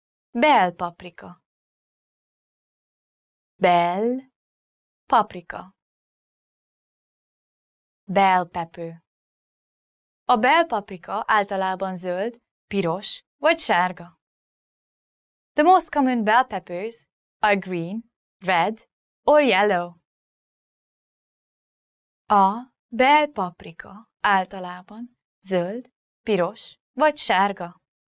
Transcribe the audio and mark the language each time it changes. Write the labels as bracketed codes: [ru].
[hu] Bell paprika. Bell paprika. [en] Bell pepper. [hu] A bell paprika általában zöld, piros vagy sárga. [en] The most common bell peppers are green, red or yellow. [hu] A bell paprika általában zöld, piros vagy sárga.